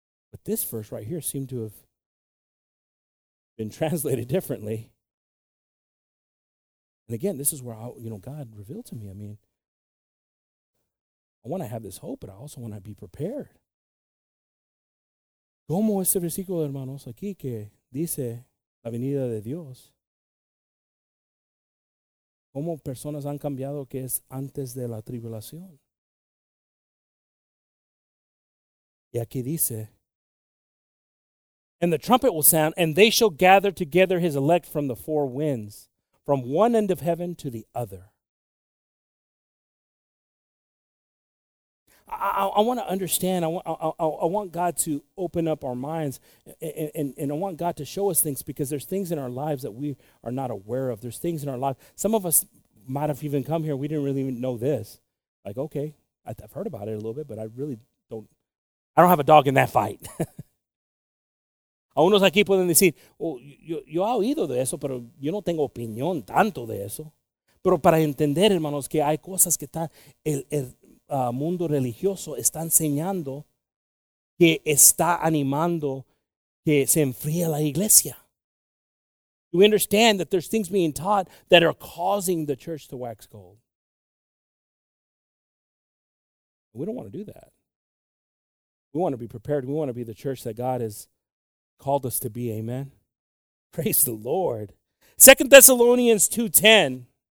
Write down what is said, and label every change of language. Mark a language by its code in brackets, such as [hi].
[en] But this verse right here seemed to have been translated differently. And again, this is where God revealed to me. I mean, I want to have this hope, but I also want to be prepared. [es] ¿Cómo es el versículo, hermanos, aquí que dice la venida de Dios? ¿Cómo personas han cambiado que es antes de la tribulación? Y aquí dice, [en] and the trumpet will sound, and they shall gather together his elect from the four winds, from one end of heaven to the other. I want to understand. I want God to open up our minds, and I want God to show us things, because there's things in our lives that we are not aware of. There's things in our lives. Some of us might have even come here, we didn't really even know this. Like, okay, I've heard about it a little bit, but I don't have a dog in that fight. [es] A unos aquí pueden decir, yo he oído de eso, pero yo no tengo opinión tanto de eso. Pero para entender, hermanos, que hay cosas que está el mundo religioso está enseñando, que está animando que se enfríe la iglesia. [en] We understand that there's things being taught that are causing the church to wax cold. We don't want to do that. We want to be prepared. We want to be the church that God is called us to be. Amen. Praise the Lord. 2 Thessalonians 2:10.